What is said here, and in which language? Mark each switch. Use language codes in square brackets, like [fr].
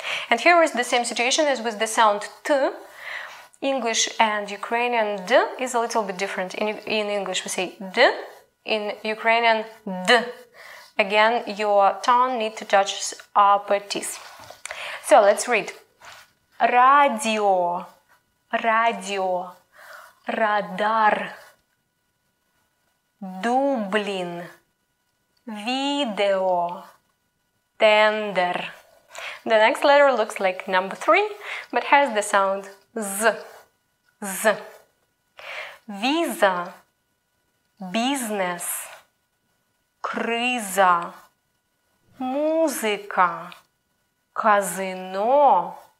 [en] And here is the same situation as with the sound T. English and Ukrainian D is a little bit different. In English we say D, in Ukrainian D. Again, your tongue need to touch upper teeth. So let's read. [uk] Радіо, радіо, радар, Дублін, відео, тендер. [en] The next letter looks like number three, but has the sound Z. Z. Visa, business, [uk] криза, музика, казино.